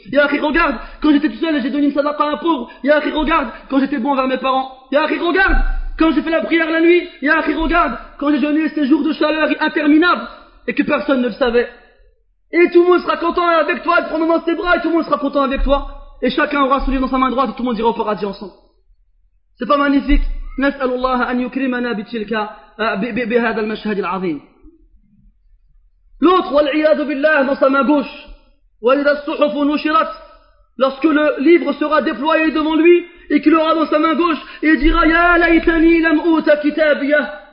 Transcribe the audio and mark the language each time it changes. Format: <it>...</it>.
<fr>Y'a qui regarde, quand j'étais tout seul et j'ai donné une sadaqa à un pauvre. Y'a qui regarde, quand j'étais bon envers mes parents. Y'a qui regarde, quand j'ai fait la prière la nuit. Y'a qui regarde, quand j'ai jeûné ces jours de chaleur interminables et que personne ne le savait. Et tout le monde sera content avec toi, il te prendra dans ses bras et tout le monde sera content avec toi. Et chacun aura son livre dans sa main droite et tout le monde ira au paradis ensemble. C'est pas magnifique?</fr> <ar>نسأل الله أن يكرمنا بتلك بهذا المشهد العظيم.</ar> <fr>L'autre,</fr> <ar>والعياذ بالله,</ar> <fr>dans sa main gauche,</fr> <ar>وَلِذَا الصُّحُفُ نُشِرَتْ.</ar> <fr>Lorsque le livre sera déployé devant lui, et qu'il aura dans sa main gauche, il dira,</fr> <ar>يَا لَيْتَنِي لَمْ أُوتَ كِتَابِيَهْ.</ar>